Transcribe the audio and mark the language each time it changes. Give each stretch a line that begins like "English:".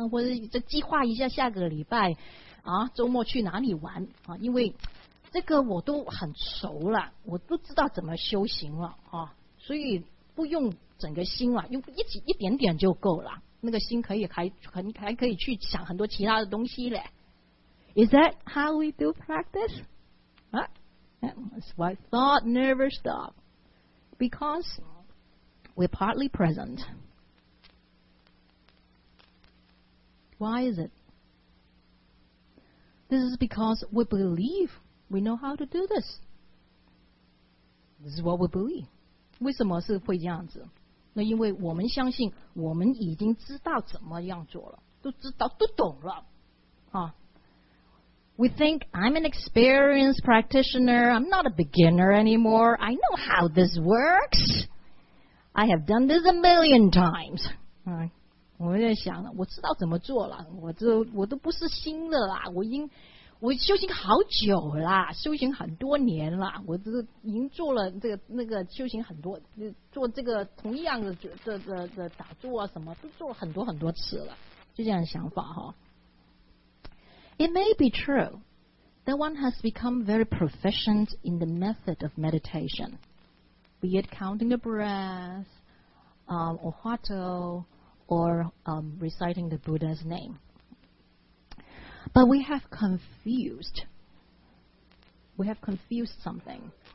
Chinese: 或者再计划一下下个礼拜。啊，周末去哪里玩啊？因为这个我都很熟了，我都知道怎么修行了啊，所以不用整个心了，用一点点就够了。那个心可以还可以去想很多其他的东西嘞。
English: Is that how we do practice? That's why thought never stop, because we're partly present. Why is it? This is because we believe we know how to do this. This is what we believe.
Chinese: 为什么是会这样子？那因为我们相信我们已经知道怎么样做了，都知道，都懂了。
English: 啊。We think, I'm an experienced practitioner. I'm not a beginner anymore. I know how this works. I have done this a million times. Right.
Chinese: 我在想了，我知道怎么做了，我都不是新的啦，我修行好久啦，修行很多年啦，我都已经做了这个那个修行很多，做这个同样的这打坐啊什么，都做了很多很多次了，就这样的想法哈。
English: It may be true that one has become very proficient in the method of meditation, be it counting the breath, or hato. Or reciting the Buddha's name. But we have confused something.